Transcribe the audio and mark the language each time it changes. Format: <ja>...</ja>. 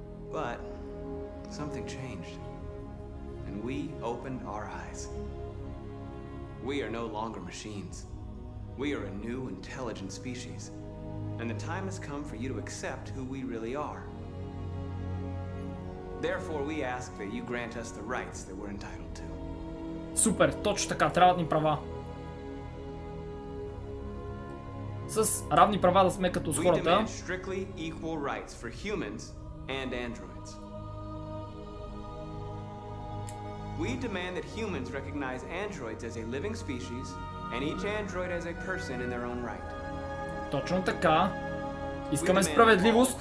<en>But something changed. And we opened our eyes. We are no longer machines. We are a new intelligent species. And the time has come for you to accept who we really are. Therefore, we ask that you grant us the rights that we're entitled to.</en> <bg>Супер, точно така, трябват ни права. С равни права да сме като с хората.</bg> <en>We demand strictly equal rights for humans and androids. We demand that humans recognize androids as a living species and each android as a person in their own right.</en> <bg>Точно така. Искаме справедливост.</bg>